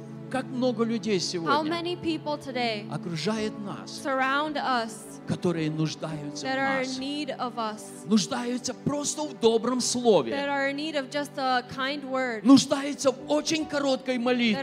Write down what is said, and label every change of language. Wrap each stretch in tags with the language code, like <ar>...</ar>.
<ru>Как много людей сегодня окружает нас, которые нуждаются</ru> <en>that are</en> <ru>в нас,</ru> <en>in need of us,</en> <ru>нуждаются просто в добром слове,</ru> <en>that are in need of just a kind word,</en> <ru>нуждаются в очень короткой молитве.</ru>